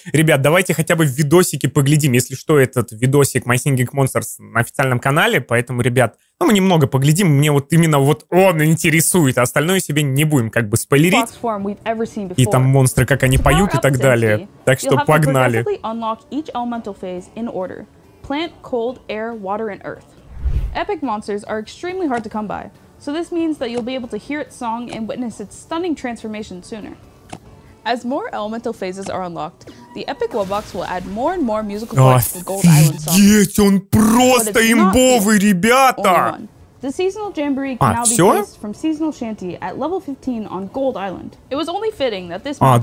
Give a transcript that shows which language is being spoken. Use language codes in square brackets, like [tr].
[ru] Ребят, давайте хотя бы в видосике поглядим. Если что, этот видосик My Singing Monsters на официальном канале. Поэтому, ребят, ну мы немного поглядим. Мне вот именно вот он интересует. А остальное себе не будем как бы спойлерить. И там монстры, как они поют и так далее. Так что погнали. [en] Plant, cold, air, water and earth. Epic monsters are extremely hard to come by. So this means that you'll be able to hear its song and witness its stunning transformation sooner. As more elemental phases are unlocked, the epic wobbox will add more and more musical parts to the Gold Island song. [ru] Он просто имбовый, ребята! [en] The seasonal jamboree can now be placed from seasonal shanty at level 15 on Gold Island. It was only fitting that this.